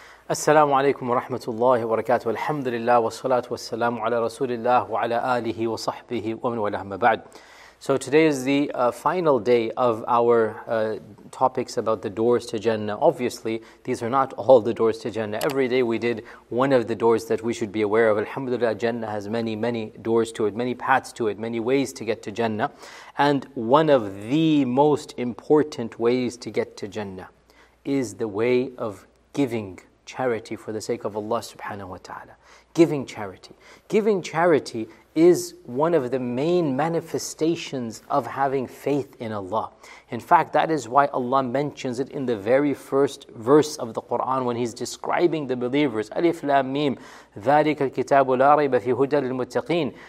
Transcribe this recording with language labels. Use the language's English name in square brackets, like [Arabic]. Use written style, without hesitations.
[Arabic] السلام عليكم ورحمة الله وبركاته، الحمد لله والصلاة والسلام على رسول الله وعلى آله وصحبه ومن والاه، ما بعد. [English] So today is the final day of our topics about the doors to Jannah. Obviously, these are not all the doors to Jannah. Every day we did one of the doors that we should be aware of. Alhamdulillah, Jannah has many, many doors to it, many paths to it, many ways to get to Jannah. And one of the most important ways to get to Jannah is the way of giving charity for the sake of Allah subhanahu wa ta'ala. Giving charity. Giving charity is one of the main manifestations of having faith in Allah. In fact, that is why Allah mentions it in the very first verse of the Quran when He's describing the believers. Alif Lam Mim, ذَلِكَ الْكِتَابُ لَا رَيْبَ فِي هُدَى لِلْمُتَّقِينَ.